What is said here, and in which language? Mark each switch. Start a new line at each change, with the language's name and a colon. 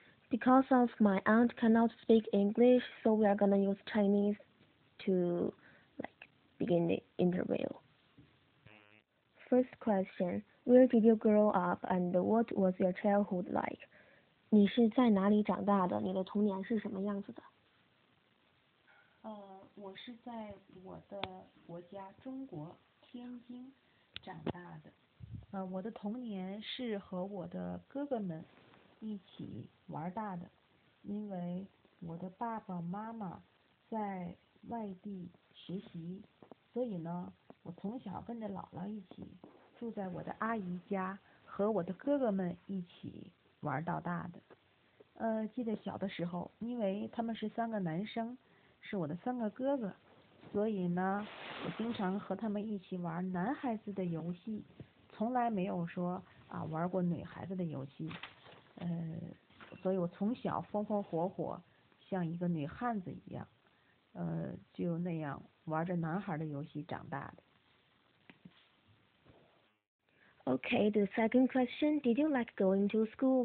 English: Because of my aunt cannot speak English, so we are going to use Chinese to begin the interview. First question, where did you grow up and what was your childhood like?
Chinese: 你是在哪里长大的？你的童年是什么样子的？我是在我的国家中国天津长大的。我的童年是和我的哥哥们一起玩大的，因为我的爸爸妈妈在外地学习，所以呢，我从小跟着姥姥一起住在我的阿姨家，和我的哥哥们一起玩到大的。记得小的时候，因为他们是三个男生，是我的三个哥哥，所以呢，我经常和他们一起玩男孩子的游戏，从来没有说啊玩过女孩子的游戏。所以我从小风风火火，像一个女汉子一样，就那样玩着男孩的游戏长大的。
English: Okay, the second question, did you like going to school?